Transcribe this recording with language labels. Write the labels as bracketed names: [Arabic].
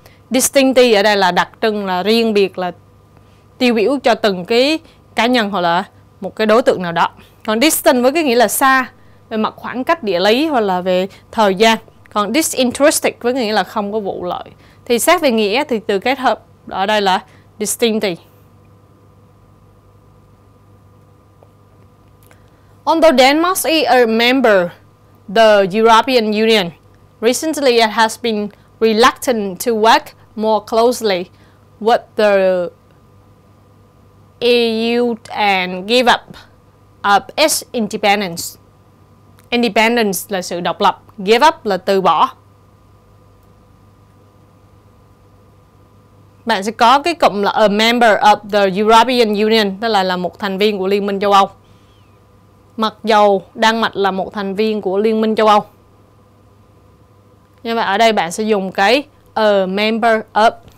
[Vietnamese] Distinctive ở đây là đặc trưng, là riêng biệt, là tiêu biểu cho từng cái cá nhân hoặc là một cái đối tượng nào đó. Còn distant với cái nghĩa là xa về mặt khoảng cách địa lý hoặc là về thời gian. Còn disinterested với nghĩa là không có vụ lợi. Thì xét về nghĩa thì từ kết hợp ở đây là distinctive. [English] Although Denmark is a member of the European Union, recently it has been reluctant to work more closely with the EU and give up of its independence. [Vietnamese] Independence là sự độc lập, give up là từ bỏ. Bạn sẽ có cái cụm là [English] a member of the European Union, [Vietnamese] tức là một thành viên của Liên minh châu Âu. Mặc dù Đan Mạch là một thành viên của Liên minh châu Âu. Như vậy ở đây bạn sẽ dùng cái [English] a member of.